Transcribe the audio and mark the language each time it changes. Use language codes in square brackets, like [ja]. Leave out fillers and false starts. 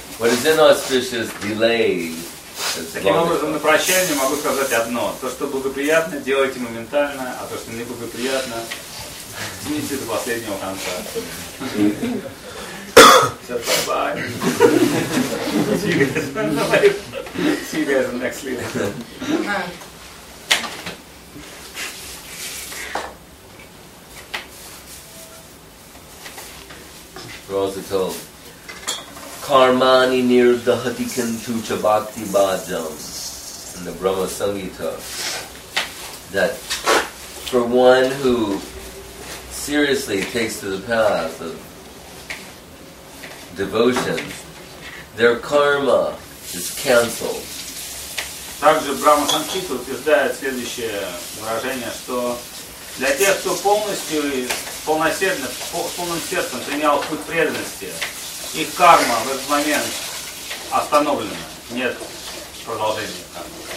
[en] What is inauspicious, delay. [ru] Таким образом, на прощание могу сказать одно. То, что благоприятно, делайте моментально, а то, что неблагоприятно, тяните до последнего конца. Все, [en] bye-bye. See you guys next week. Rosital. [sa] Karmani nirdhati kintu cha bhakti bhajam [en] in the Brahma Sangita, that for one who seriously takes to the path of devotion, their karma is cancelled. [ru] Также Брахма Сангхита утверждает следующее выражение, что для тех, кто полностью и полносердно, полным сердцем принял путь преданности, их карма в этот момент остановлена. Нет продолжения кармы.